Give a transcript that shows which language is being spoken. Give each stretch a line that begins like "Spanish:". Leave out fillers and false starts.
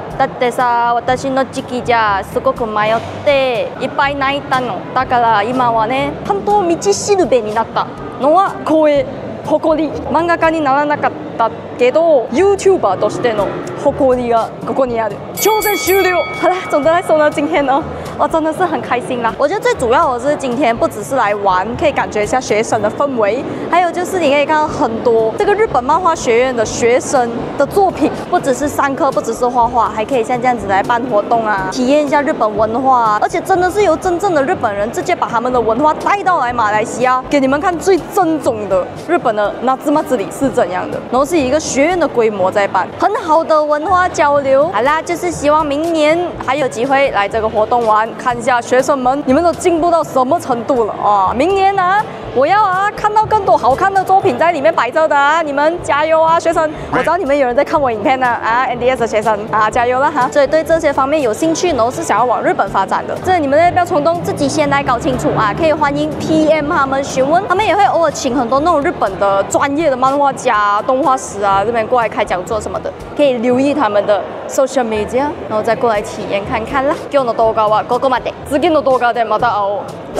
Japanese: だってさ、私の時期じゃすごく迷っていっぱい泣いたの。だから今はね、担当道しるべになったのは光栄、誇り。漫画家にならなかったけど、 YouTuber としての誇りがここにある。挑戦終了。
Chinese: 好了，总的来说呢，今天呢我真的是很开心啦。我觉得最主要的是今天不只是来玩，可以感觉一下学生的氛围，还有就是你可以看到很多这个日本漫画学院的学生的作品，不只是上课，不只是画画，还可以像这样子来办活动啊，体验一下日本文化啊。而且真的是由真正的日本人直接把他们的文化带到来马来西亚，给你们看最正宗的日本的那芝麻子里是怎样的，然后是以一个学院的规模在办，很好的文化交流。好啦，就是希望明年还有机会来这个活动玩，看一下学生们你们都进步到什么程度了啊！明年啊，我要啊看到更多好看的作品在里面摆着的啊！你们加油啊，学生！我知道你们有人在看我影片呢 ，NDS 的学生啊，加油了哈！所以对这些方面有兴趣，然后是想要往日本发展的，这你们要不要冲动，自己先来搞清楚啊！可以欢迎 PM 他们询问，他们也会偶尔请很多那种日本的专业的漫画家、动画师啊这边过来开讲座什么的，可以留意他们的 social media， 然后再过来体验看看啦。
Japanese: 今日の動画はここまで。次の動画でまた会おう。